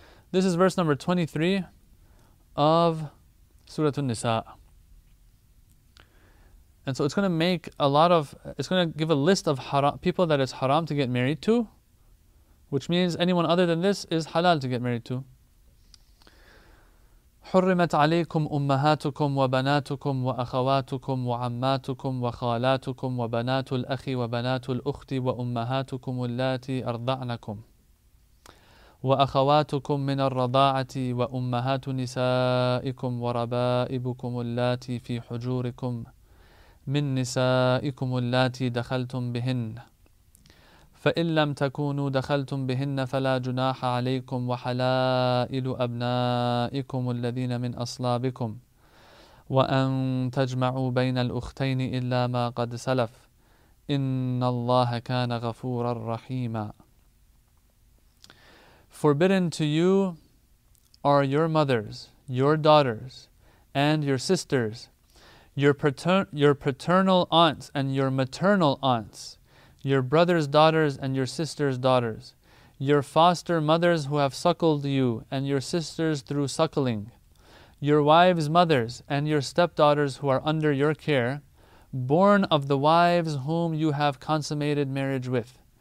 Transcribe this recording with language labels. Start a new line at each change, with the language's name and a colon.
English: This is verse number 23 of Surah An-Nisa. And so it's going to give a list of haram, people that it's haram to get married to, which means anyone other than this is halal to get married to.
Arabic: حُرِّمَتْ عَلَيْكُمْ أُمَّهَاتُكُمْ وَبَنَاتُكُمْ وَأَخَوَاتُكُمْ وَعَمَّاتُكُمْ وَخَالَاتُكُمْ وَبَنَاتُ الْأَخِ وَبَنَاتُ الْأُخْتِ وَأُمَّهَاتُكُمُ اللَّاتِي أَرْضَعْنَكُمْ وأخواتكم من الرضاعة وأمهات نسائكم وربائبكم اللاتي في حجوركم من نسائكم اللاتي دخلتم بهن فإن لم تكونوا دخلتم بهن فلا جناح عليكم وحلائل أبنائكم الذين من أصلابكم وأن تجمعوا بين الأختين إلا ما قد سلف إن الله كان غفورا رحيما.
English: Forbidden to you are your mothers, your daughters, and your sisters, your paternal aunts and your maternal aunts, your brothers' daughters and your sisters' daughters, your foster mothers who have suckled you and your sisters through suckling, your wives' mothers and your stepdaughters who are under your care, born of the wives whom you have consummated marriage with.